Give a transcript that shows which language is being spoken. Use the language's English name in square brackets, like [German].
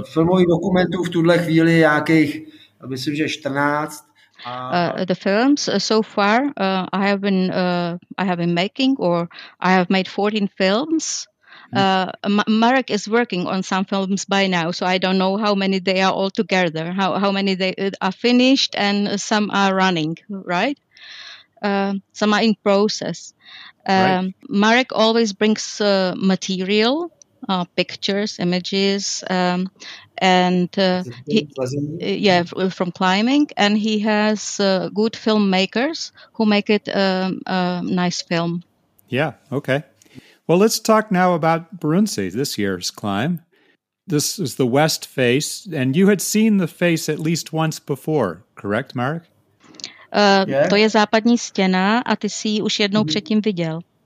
[Czech] Filmových dokumentů v tuhle chvíli nějakých, myslím, že 14. [English] The films so far I have been making, or I have made 14 films. Marek is working on some films by now, so I don't know how many they are all together, how many they are finished, and some are running, right? Some are in process. Right. Marek always brings material, pictures, images, from climbing, and he has good filmmakers who make it a nice film. Yeah, okay. Well, let's talk now about Baruntse, this year's climb. This is the west face, and you had seen the face at least once before, correct, Marek? [Czech] To je západní stěna a ty jsi ji už jednou předtím viděl.